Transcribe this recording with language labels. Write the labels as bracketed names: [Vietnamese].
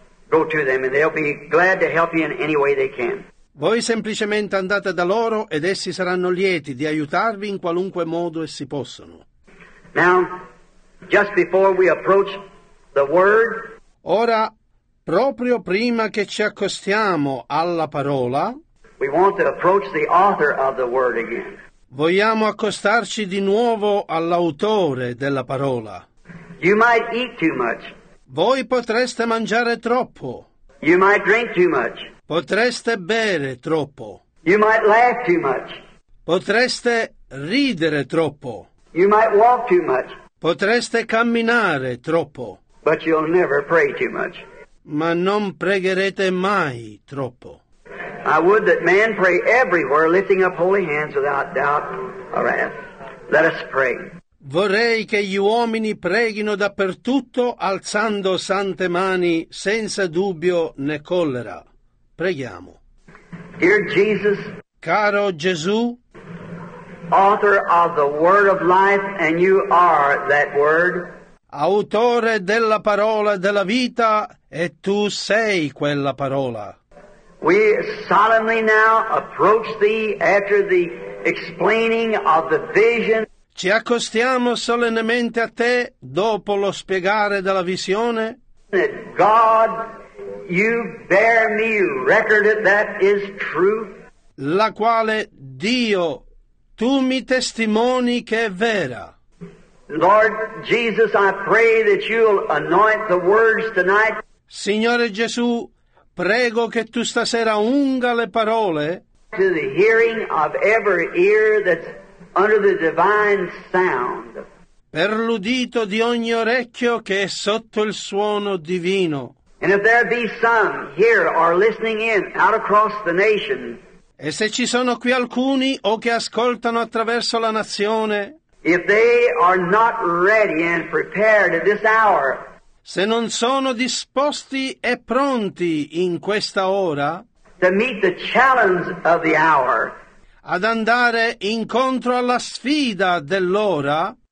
[English] Go to them and they'll be glad to help you in any way they can. [Italian] Voi semplicemente andate da loro ed essi saranno lieti di aiutarvi in qualunque modo essi possono. [English] Now, just before we approach the word, [Italian] ora proprio prima che ci accostiamo alla parola, [English] we want to approach the author of the word again. [Italian] Vogliamo accostarci di nuovo all'autore della parola. [English] You might eat too much. [Italian] Voi potreste mangiare troppo. [English] You might drink too much. [Italian] Potreste bere troppo. [English] You might laugh too much. [Italian] Potreste ridere troppo. [English] You might walk too much. [Italian] Potreste camminare troppo. [English] But you'll never pray too much. [Italian] Ma non pregherete mai troppo. [English] I would that man pray everywhere, lifting up holy hands without doubt or wrath. Let us pray. [Italian] Vorrei che gli uomini preghino dappertutto alzando sante mani senza dubbio né collera. Preghiamo. [English] Dear Jesus, [Italian] caro Gesù, [English] author of the word of life, and you are that word, [Italian] autore della parola della vita, e tu sei quella parola. [English] We solemnly now approach thee after the explaining of the vision. [Italian] Ci accostiamo solennemente a te dopo lo spiegare della visione. [English] God, you bear me record that is true. [Italian] La quale Dio, tu mi testimoni che è vera. [English] Lord Jesus, I pray that you'll anoint the words tonight. [Italian] Signore Gesù, prego che tu stasera unga le parole. [English] To the hearing of every ear that's under the divine sound. [Italian] Per l'udito di ogni orecchio che è sotto il suono divino. [English] And if there be some here or listening in out across the nation. [Italian] E se ci sono qui alcuni o che ascoltano attraverso la nazione. [English] If they are not ready and prepared at this hour. [Italian] Se non sono disposti e pronti in questa ora. [English] To meet the challenge of the hour. [Italian] Ad andare incontro alla sfida dell'ora,